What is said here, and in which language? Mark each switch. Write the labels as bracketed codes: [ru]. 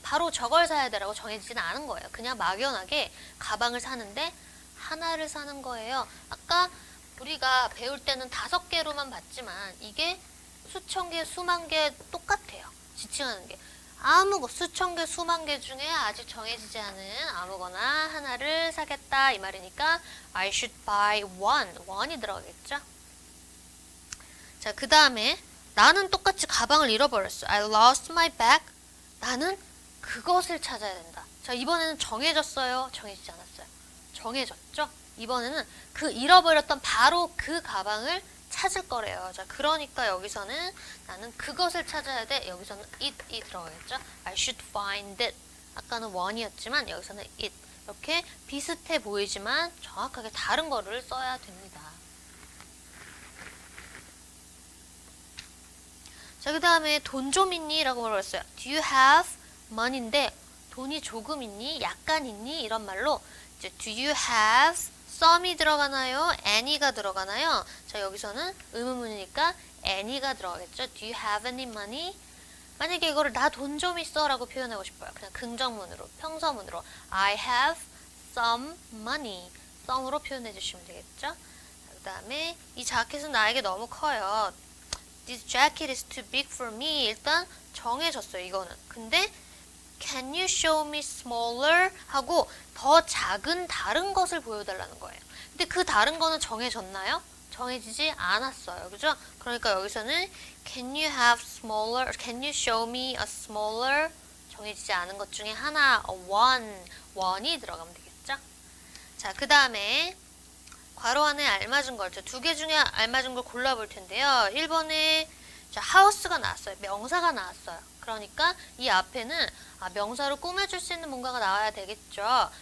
[ko] 바로 저걸 사야 돼라고 정해지진 않은 거예요. 그냥 막연하게 가방을 사는데 하나를 사는 거예요. 아까 우리가 배울 때는 다섯 개로만 봤지만 이게 수천 개, 수만 개 똑같아요. 지칭하는 게. 아무거나 수천 개, 수만 개 중에 아직 정해지지 않은 아무거나 하나를 사겠다. 이 말이니까 [en] I should buy one. [ko] one이 들어가겠죠. 자, 그 다음에 나는 똑같이 가방을 잃어버렸어. [en] I lost my bag. [ko] 나는 그것을 찾아야 된다. 자, 이번에는 정해졌어요. 정해지지 않았어요. 정해졌죠? 이번에는 그 잃어버렸던 바로 그 가방을 찾을 거래요. 자, 그러니까 여기서는 나는 그것을 찾아야 돼. 여기서는 it이 들어가겠죠? [en] I should find it. [ko] 아까는 one이었지만 여기서는 it. 이렇게 비슷해 보이지만 정확하게 다른 거를 써야 됩니다. 자, 그다음에 돈좀 있니라고 물어봤어요. [en] Do you have money [ko] 인데 돈이 조금 있니? 약간 있니? 이런 말로 이제 [en] do you have some [ko] 이 들어가나요? any가 들어가나요? 자, 여기서는 의문문이니까 any가 들어가겠죠. [en] Do you have any money? [ko] 만약에 이거를 나돈좀 있어라고 표현하고 싶어요. 그냥 긍정문으로, 평소문으로 [en] I have some money. [ko] some으로 표현해 주시면 되겠죠? 그다음에 이 자켓은 나에게 너무 커요. [en] This jacket is too big for me. [ko] 일단 정해졌어요, 이거는. [en] 근데 Can you show me smaller? [ko] 하고 더 작은 다른 것을 보여달라는 거예요. 근데 그 다른 거는 정해졌나요? 정해지지 않았어요. 그죠? [en] 그러니까 여기서는 Can you have smaller? Can you show me a smaller? [ko] 정해지지 않은 것 중에 하나, a one. one이 들어가면 되겠죠? 자, 그 다음에 괄호 안에 알맞은 걸, 두개 중에 알맞은 걸 골라볼 텐데요. 1번에 하우스가 나왔어요. 명사가 나왔어요. 그러니까 이 앞에는 명사로 꾸며줄 수 있는 뭔가가 나와야 되겠죠.